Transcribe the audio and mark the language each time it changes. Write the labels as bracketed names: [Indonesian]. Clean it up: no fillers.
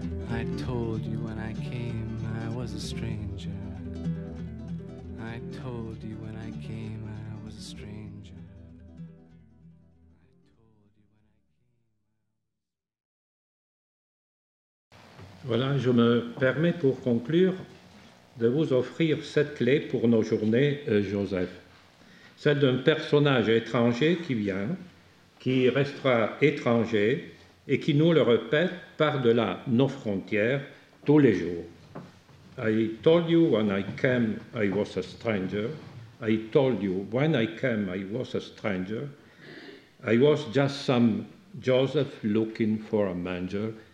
[English] I told you when I came I was a stranger. I told you when I came I was a stranger. I told you when I came I was. [French] Voilà, je me permets pour conclure de vous offrir cette clé pour nos journées, Joseph. Celle d'un personnage étranger qui vient, qui restera étranger et qui nous le répète par-delà nos frontières tous les jours. [English] I told you when I came, I was a stranger. I told you when I came, I was a stranger. I was just some Joseph looking for a manger.